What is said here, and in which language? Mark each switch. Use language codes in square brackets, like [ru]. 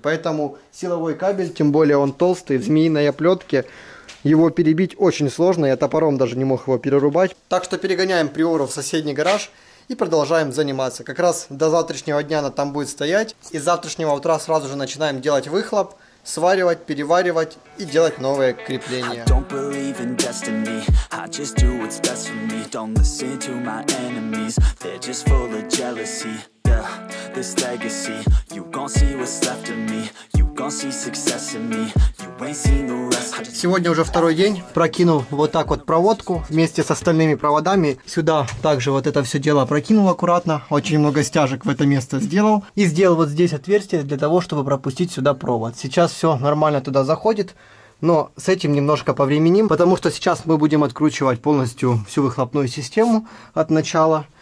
[ru] Поэтому силовой кабель, тем более он толстый, в змеиной оплетке, его перебить очень сложно, я топором даже не мог его перерубать. Так что перегоняем приору в соседний гараж и продолжаем заниматься. Как раз до завтрашнего дня она там будет стоять, и с завтрашнего утра сразу же начинаем делать выхлоп, сваривать, переваривать и делать новые крепления. [en] I don't believe in destiny, I just do what's best for me. Don't listen to my enemies, they're just full of jealousy. This legacy, you gon' see what's left of me. You gon' see success in me. You ain't seen the rest. [ru] Сегодня уже второй день. Прокинул вот так вот проводку вместе с остальными проводами. Сюда также вот это все дело прокинул аккуратно. Очень много стяжек в это место сделал. И сделал вот здесь отверстие для того, чтобы пропустить сюда провод. Сейчас все нормально туда заходит. Но с этим немножко повременим, потому что сейчас мы будем откручивать полностью всю выхлопную систему от начала.